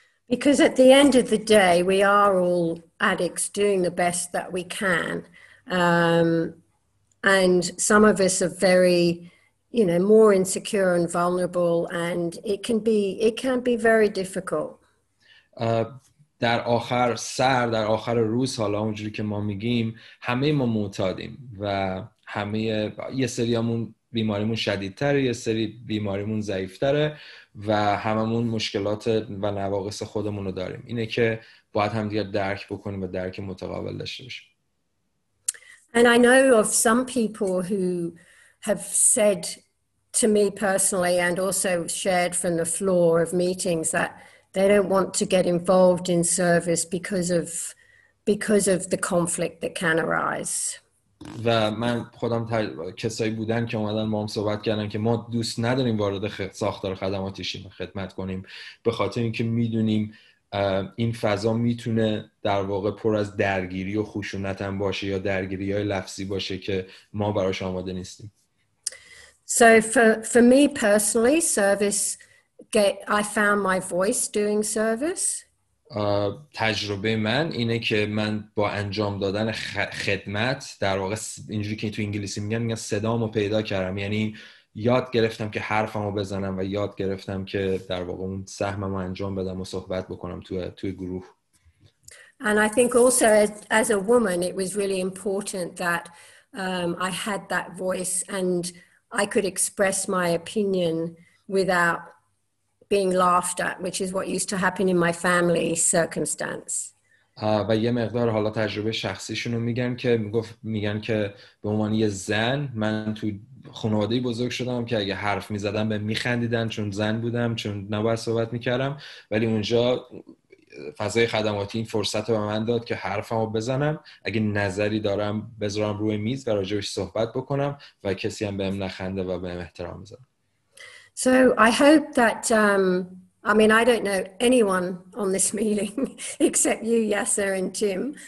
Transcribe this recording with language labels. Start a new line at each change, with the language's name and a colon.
English: Because at the end of the day we are all addicts doing the best that we can, and some of us are very, you know, more insecure and vulnerable, and it can be very difficult.
Persian: در آخر سر، در آخر روز، حالا اونجوری که ما میگیم، همه ما معتادیم و همه یه سریامون بیماریمون شدیدتره، یه سری بیماریمون ضعیفتره و هممون مشکلات و نواقص خودمون رو داریم. اینه که باید هم دیگه درک بکنیم و درک متقابل داشته باشیم.
English: And I know of some people who have said to me personally and also shared from the floor of meetings that they don't want to get involved in service because of the conflict that can arise.
Persian: و من خودم کسایی بودن که اومدن با هم صحبت کردن که ما دوست نداریم وارد ساختار خدماتی شیم خدمت کنیم به خاطر اینکه میدونیم این فضا میتونه در واقع پر از درگیری و خشونت هم باشه یا درگیری های لفظی باشه که ما براش آماده نیستیم.
English: So for me personally service I found my voice doing service.
Persian: تجربه من اینه که من با انجام دادن خدمت، در واقع اینجوری که تو انگلیسی میگن صدامو پیدا کردم، یعنی یاد گرفتم که حرفمو بزنم و یاد گرفتم که در واقع اون سهممو انجام بدم و صحبت بکنم توی گروه.
English: And I think also as a woman it was really important that I had that voice and I could express my opinion without being laughed at, which is what used to happen in my family circumstance.
Persian: و یه مقدار حالا تجربه شخصیشون رو میگن که به عنوان یه زن من تو خانواده بزرگ شدم که اگه حرف میزدم به میخندیدن چون زن بودم، چون نباید صحبت میکردم، ولی اونجا فضای خدماتی این فرصت رو به من داد که حرفمو بزنم، اگه نظری دارم بذارم روی میز و راجعش صحبت بکنم و کسی هم بهم نخنده و بهم احترام بذاره.
English: So I hope that I mean I don't know anyone on this meeting except you, Yasser and Tim.